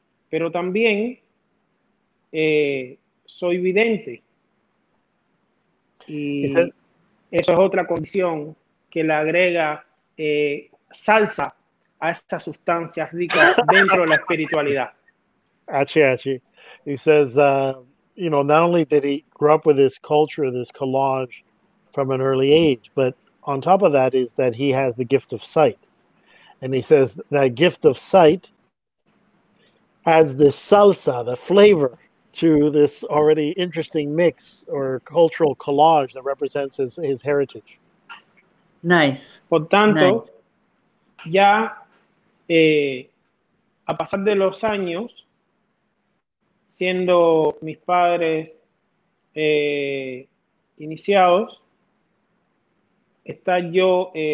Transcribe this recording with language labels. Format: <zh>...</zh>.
<es>Pero también soy vidente. Y eso es otra condición que le agrega salsa a esas sustancias ricas dentro de la espiritualidad. Achi.</es> <en>He says, you know, not only did he grow up with this culture, this collage from an early age, but on top of that is that he has the gift of sight. And he says that gift of sight adds the salsa, the flavor, to this already interesting mix or cultural collage that represents his heritage. Nice.</en> <es>Por tanto,</es> <en>nice.</en> <es>Ya, a pasar de los años, siendo mis padres iniciados, está yo</es>